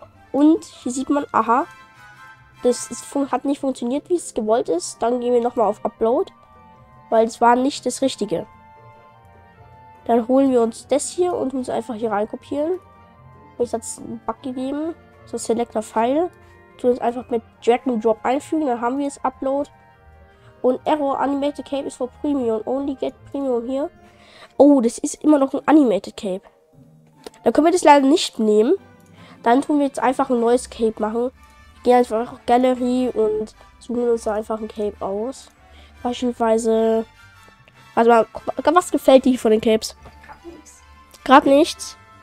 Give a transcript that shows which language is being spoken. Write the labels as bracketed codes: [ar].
[de] Und hier sieht man, aha, das hat nicht funktioniert, wie es gewollt ist. Dann gehen wir nochmal auf Upload. weil es war nicht das Richtige. Dann holen wir uns das hier und uns einfach hier reinkopieren. Ich habe es einen Bug gegeben, so Selector File. Tun es einfach mit Drag and Drop einfügen, dann haben wir es Upload. Und [en] Error Animated Cape is for Premium. Only get Premium [de] hier. Oh, das ist immer noch ein Animated Cape. Dann können wir das leider nicht nehmen. Dann tun wir jetzt einfach ein neues Cape machen. Wir gehen einfach auf Gallery und suchen uns da einfach ein Cape aus. Beispielsweise. Warte mal, was gefällt dir von den Capes? Gerade nichts.